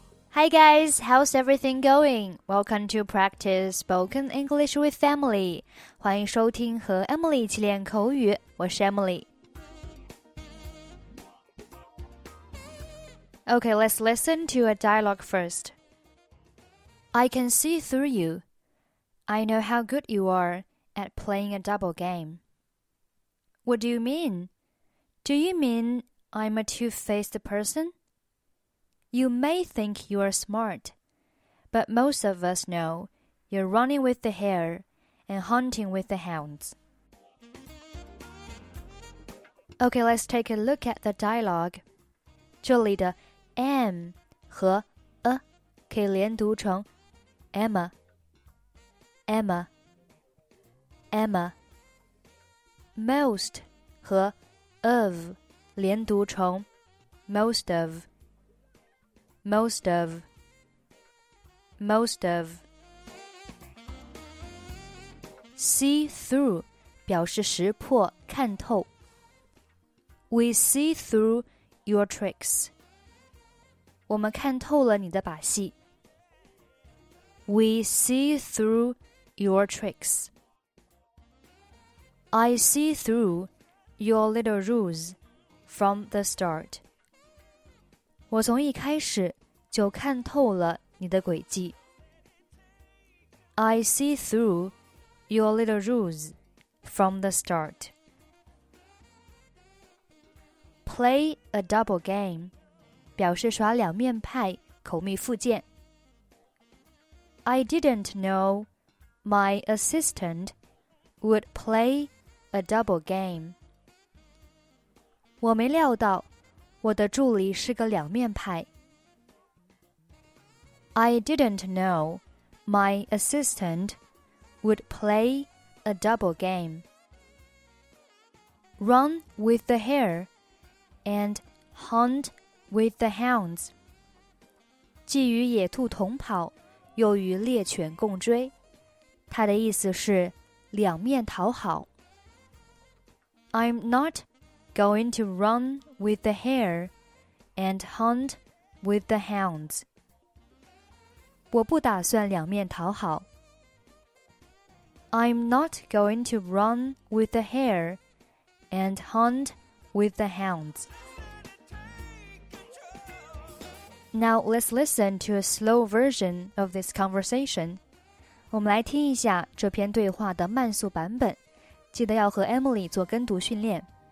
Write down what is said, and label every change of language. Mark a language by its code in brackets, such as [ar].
[en] Hi guys, how's everything going? Welcome to practice spoken English with Emily. [zh] 欢迎收听和 Emily 一起练口语，我是 Emily. [en] Okay, let's listen to a dialogue first. I can see through you. I know how good you are at playing a double game. What do you mean? Do you mean I'm a two-faced person? You may think you are smart, but most of us know you're running with the hare and hunting with the hounds. Okay, let's take a look at the dialogue. [zh] 这里的 am 和 a 可以连读成 Emma, Emma, Emma. Most 和 of 连读成 most of. [en] Most of, most of. [zh] See through 表示识破看透。 [en] We see through your tricks. [zh] 我们看透了你的把戏。 [en] We see through your tricks. I see through your little ruse from the start. [zh] 我从一开始就看透了你的诡计。 [en] I see through your little ruse from the start. [zh] Play a double game 表示耍两面派口蜜腹剑。 [en] I didn't know my assistant would play a double game. [zh] 我没料到我的助理是个两面派。 [en] I didn't know my assistant would play a double game. Run with the hare and hunt with the hounds. [zh] 既与野兔同跑，又与猎犬共追。他的意思是两面讨好。 [en] I'm not going to run with the hare and hunt with the hounds. [zh] 我不打算两面讨好。 [en] I'm not going to run with the hare and hunt with the hounds. Now let's listen to a slow version of this conversation. [zh] 我们来听一下这篇对话的慢速版本，记得要和 Emily 做跟读训练。